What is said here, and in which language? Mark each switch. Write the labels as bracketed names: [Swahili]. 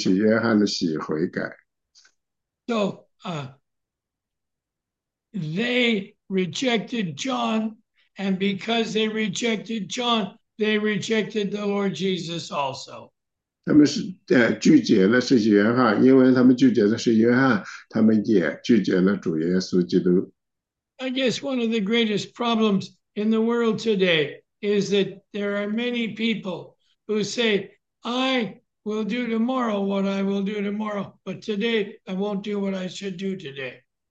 [Chinese] 但是呢，他们却不悔改，他们不去到施洗约翰那里接受施洗约翰的洗悔改。 [English] So they rejected John, and because they rejected John, they rejected the Lord Jesus also. [Chinese] 他们是拒绝了施洗约翰，因为他们拒绝了施洗约翰，他们也拒绝了主耶稣基督。 [English] I guess one of the greatest problems in the world today is that there are many people who say, I will do tomorrow, but today I won't do what I should do today.